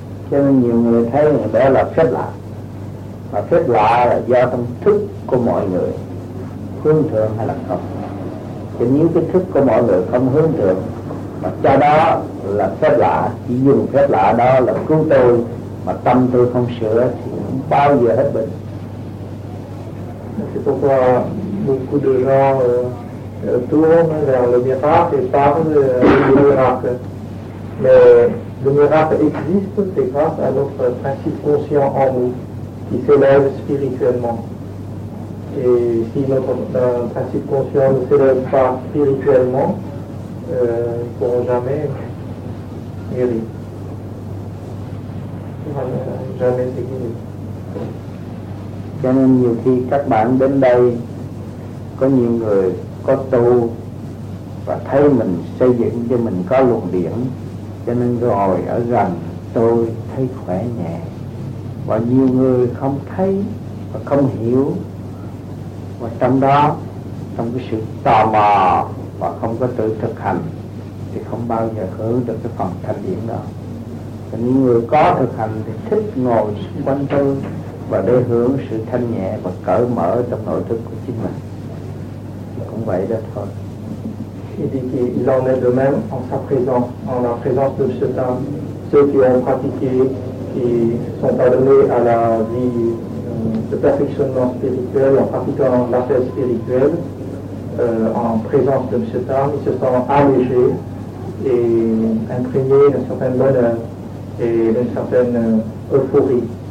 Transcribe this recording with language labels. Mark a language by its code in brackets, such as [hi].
[vi] Cho nên nhiều người thấy đó là phép lạ. Và phép lạ là do tâm thức của mọi người hướng thượng hay là không. Chứ nếu cái thức của mọi người không hướng thượng mà cho đó là phép lạ, chỉ dùng phép lạ đó là cứu tôi mà tâm tôi không sửa thì không bao giờ hết bệnh. [fr] C'est pourquoi beaucoup de gens tournent vers le miracle et parlent du miracle. Mais le miracle existe, c'est grâce à notre principe conscient en nous, qui s'élève spirituellement. Et si notre principe conscient ne s'élève pas spirituellement, ils ne pourront jamais guérir. Ils ne pourront jamais se guérir. [vi] Cho nên nhiều khi các bạn đến đây, có nhiều người có tu và thấy mình xây dựng cho mình có luồng điển, cho nên ngồi ở gần tôi thấy khỏe nhẹ. Và nhiều người không thấy và không hiểu, và trong đó, trong cái sự tò mò và không có tự thực hành thì không bao giờ hướng được cái phần thanh điển đó. Và những người có thực hành thì thích ngồi xung quanh tôi và để hướng sự thanh nhẹ và cởi mở trong nội thức của chính mình. Thì cũng vậy đó thôi. [fr] Il dit qu'il en est de même en sa présence, en la présence de cet homme. Ceux qui ont pratiqué, qui sont adonnés à la vie de perfectionnement spirituel, en pratiquant la paix spirituelle, en présence de cet homme, ils se sentent allégés et imprégnés d'un certain bonheur et d'une certaine euphorie.